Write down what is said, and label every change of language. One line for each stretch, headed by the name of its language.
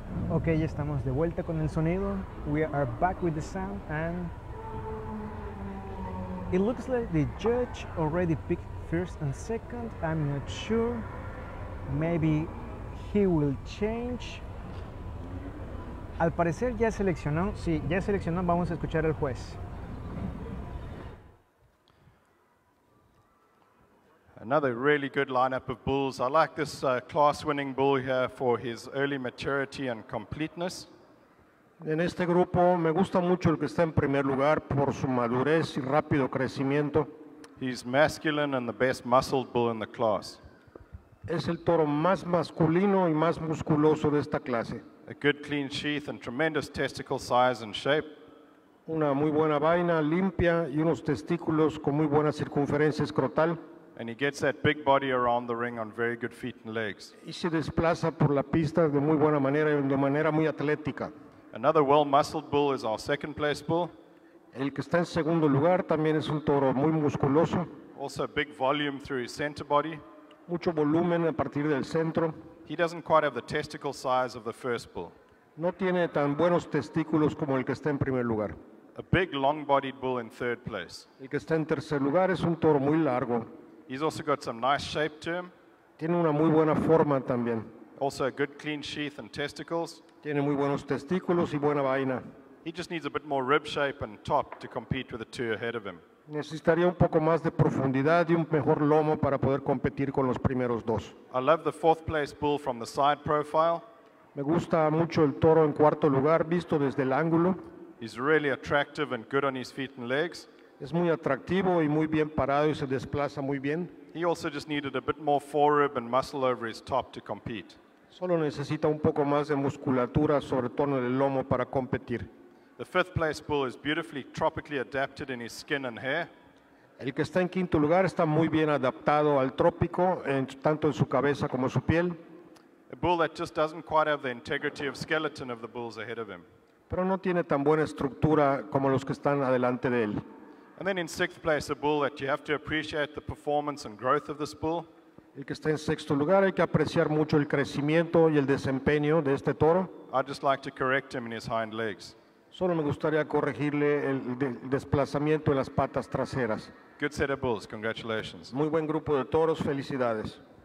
Spanish: Okay, ya estamos de vuelta con el sonido.
English: We are back with the sound, and it looks like the judge already picked first and second. I'm not sure. Maybe he will change.
Spanish: Al parecer ya seleccionó. Sí, ya seleccionó. Vamos a escuchar al juez.
English: Another really good lineup of bulls. I like this class-winning bull here for his early maturity and completeness.
Spanish: En este grupo me gusta mucho el que está en primer lugar por su madurez y rápido crecimiento.
English: He's masculine and the best muscled bull in the class.
Spanish: Es el toro más masculino y más musculoso de esta clase.
English: A good clean sheath and tremendous testicle size and shape.
Spanish: Una muy buena vaina, limpia y unos testículos con muy buena circunferencia escrotal.
English: And he gets that big body around the ring on very good feet and legs.
Spanish: Y se desplaza por la pista de muy buena manera y de manera muy atlética.
English: Another well-muscled bull is our second place bull.
Spanish: El que está en segundo lugar también es un toro muy musculoso.
English: Also big volume through his center body.
Spanish: Mucho volumen a partir del centro.
English: He doesn't quite have the testicle size of the first bull.
Spanish: No tiene tan buenos testículos como el que está en primer lugar.
English: A big long-bodied bull in third place.
Spanish: El que está en tercer lugar es un toro muy largo.
English: He's also got some nice shape to him.
Spanish: Tiene una muy buena forma también.
English: Also a good clean sheath and testicles.
Spanish: Tiene muy buenos testículos y buena vaina.
English: He just needs a bit more rib shape and top to compete with the two ahead of him.
Spanish: Necesitaría un poco más de profundidad y un mejor lomo para poder competir con los primeros dos.
English: I love the fourth place bull from the side profile.
Spanish: Me gusta mucho el toro en cuarto lugar visto desde el ángulo.
English: He's really attractive and good on his feet and legs.
Spanish: Es muy atractivo y muy bien parado y se desplaza muy bien.
English: He also just needed a bit more forerib and muscle over his top to compete.
Spanish: Solo necesita un poco más de musculatura, sobre todo en el lomo, para competir.
English: The fifth place bull is beautifully tropically adapted in his skin and hair.
Spanish: El que está en quinto lugar está muy bien adaptado al trópico, tanto en su cabeza como en su piel.
English: A bull that just doesn't quite have the integrity of skeleton of the bulls ahead of him.
Spanish: Pero no tiene tan buena estructura como los que están adelante de él.
English: And then in sixth place, a bull that you have to appreciate the performance and growth of this bull.
Spanish: El que está en sexto lugar, hay que apreciar mucho el crecimiento y el desempeño de este toro.
English: I'd just like to correct him in his hind legs.
Spanish: Solo me gustaría corregirle el desplazamiento en las patas traseras.
English: Good set of bulls, congratulations.
Spanish: Muy buen grupo de toros, felicidades.